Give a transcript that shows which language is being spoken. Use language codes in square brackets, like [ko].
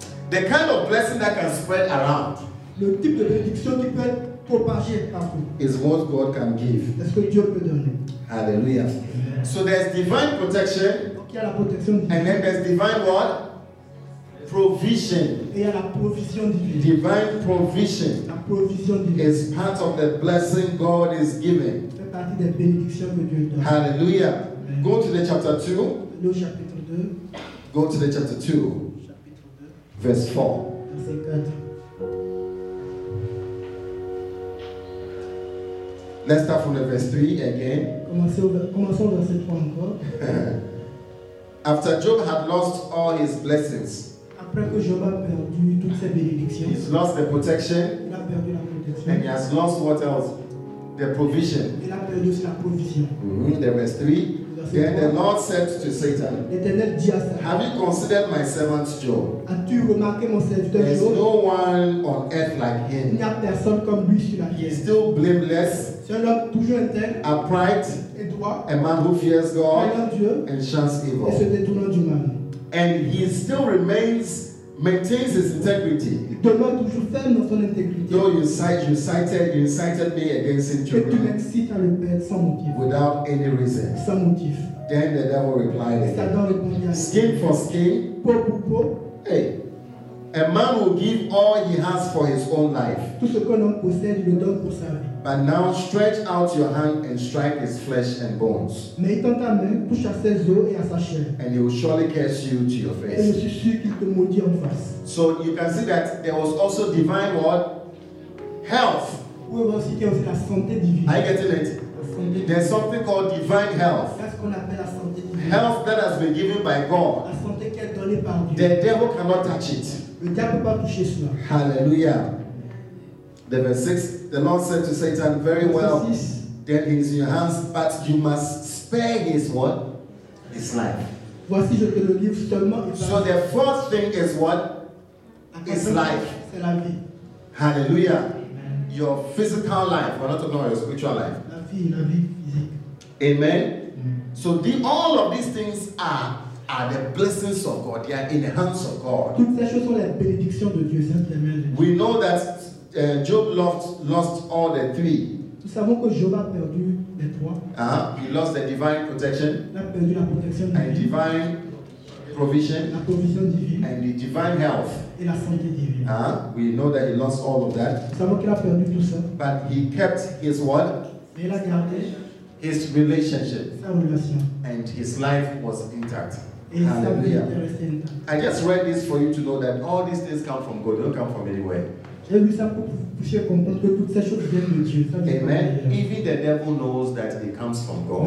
[en] The kind of blessing that can spread around. [fr] Le type de bénédiction qui peut propager partout. [en] Is what God can give. [fr] Est-ce que Dieu peut donner? [en] Hallelujah. Amen. So there's divine protection. Donc, il y a la protection divine. And then there's divine what? Provision. [fr] Et à la provision divine. [en] Divine provision. [fr] La provision divine. [en] Is part of the blessing God is giving. [fr] Fait partie des bénédictions que Dieu donne. [en] Hallelujah. Amen. Go to the chapter 2. [fr] Le chapitre 2. [en] Go to the chapter 2. [fr] Chapitre 2. [en] Verse 4. [fr] Verset 4. [en] Let's start from the verse 3 again. [fr] Commençons verset 3 encore. [en] After Job had lost all his blessings. [fr] Après que Job a perdu toutes ses bénédictions, [en] he's lost the protection, [fr] il a perdu la protection, [en] and he has lost what else? The provision. [fr] Il a perdu aussi la provision. [en] Mm-hmm. The verse 3. Then the Lord said to Satan, [fr] l'Éternel dit à Satan, [en] have you considered my servant Job? [fr] As-tu remarqué mon serviteur Job? [en] There's no one on earth like him. [fr] Il n'y a personne comme lui sur la terre. [en] He is still blameless. [fr] C'est un homme toujours intègre. [en] Upright. [fr] Et droit. [en] A man who fears God. [fr] Craignant Dieu. [en] And shuns evil. [fr] Et se détournant du mal. [en] And he still maintains his integrity. [fr] Demeure toujours ferme dans son intégrité. [en] Though you cited me against him, [fr] et tu m'incites à le perdre sans motif. [en] Without any reason. [fr] Sans motif. [en] Then the devil replied. [fr] Et Satan répondit. [en] Skin for skin. [fr] Peau pour peau. [en] Hey, a man will give all he has for his own life. [fr] Tout ce qu'un homme possède, il le donne pour sa vie. [en] But now stretch out your hand and strike his flesh and bones. [fr] Mais étends ta main, touche à ses os et à sa chair. [en] And he will surely curse you to your face. [fr] Et je suis sûr qu'il te maudit en face. [en] So you can see that there was also divine what? Health. [fr] Oui, aussi, il y a aussi la santé divine. [en] Are you getting it? There's something called divine health. [fr] Qu'est-ce qu'on appelle la santé divine? [en] Health that has been given by God. [fr] La santé qui est donnée par Dieu. [en] The devil cannot touch it. [fr] Le diable peut pas toucher cela. [en] Hallelujah. The verse 6, the Lord said to Satan, very well, then he is in your hands, but you must spare his what? His life. [fr] Voici, je te le livre seulement. [en] So the fourth thing is what? His life. [fr] C'est la vie. [en] Hallelujah. Amen. Your physical life, we're not talking about your spiritual life. [fr] La vie physique. [en] Amen. Mm. So all of these things are are the blessings of God. They are in the hands of God. [fr] Toutes ces choses sont les bénédictions de Dieu. [en] We know that Job lost all the three. [fr] Nous savons que Job a perdu les trois. [en] He lost the divine protection. [fr] Il a perdu la protection divine. [en] And divine provision. [fr] La provision divine. [en] And the divine health. [fr] Et la santé divine. [en] We know that he lost all of that. [fr] Nous savons qu'il a perdu tout ça. [en] But he kept his what? [fr] Mais il a gardé. [en] His relationship. [fr] Sa relation. [en] And his life was intact. Hallelujah. I just read this for you to know that all these things come from God. They don't come from anywhere. [fr] J'ai lu ça pour faire comprendre que toutes ces choses viennent de Dieu. [en] Amen. Even the devil knows that it comes from God.